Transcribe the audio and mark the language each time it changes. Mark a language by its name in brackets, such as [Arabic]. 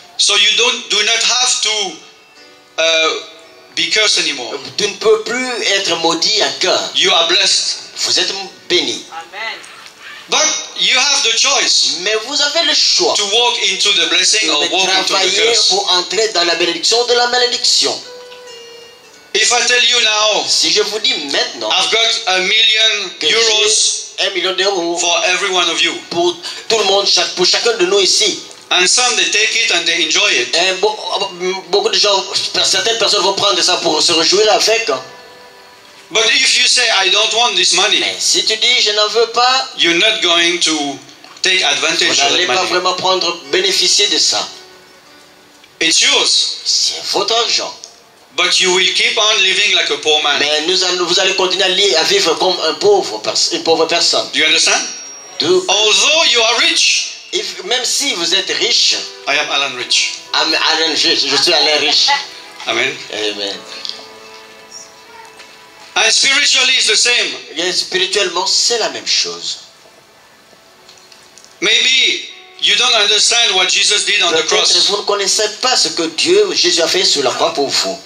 [English] So you do not have to be cursed anymore. [French] Tu ne peux plus être maudit à cœur. [English] You are blessed. [French] Vous êtes béni. [English] But you have the choice. [French] Mais vous avez le choix. [English] To walk into the blessing or walk into the curse. [French] Pour entrer dans la bénédiction de la malédiction. [English] If I tell you now, [French] si je vous dis maintenant, [English] I've got a million euros, [French] 1 million d'euros [English] for every one of you. [French] Pour tout le monde, pour chacun de nous ici. [English] And some they take it and they enjoy it. [French] Et beaucoup de gens, certaines personnes vont prendre ça pour se réjouir avec. [English] But if you say I don't want this money, [French] mais si tu dis je n'en veux pas, [English] you're not going to take advantage of that money. [French] Vous n'allez pas vraiment prendre bénéficier de ça. [English] It's yours. [French] C'est votre argent. [English] But you will keep on living like a poor man. [French] Mais vous allez continuer à vivre comme une pauvre personne. [English] Do you understand? Although you are rich, [French] même si vous êtes riche, [English] I am Allan rich. I'm Allan rich. [French] Je suis Allan riche. Amen. Amen. [English] And spiritually it's the same. [French] Et spirituellement, c'est la même chose. [English] Maybe you don't understand what Jesus did on the cross. [French] Peut-être vous ne connaissez pas ce que Dieu Jésus a fait sur la croix pour vous.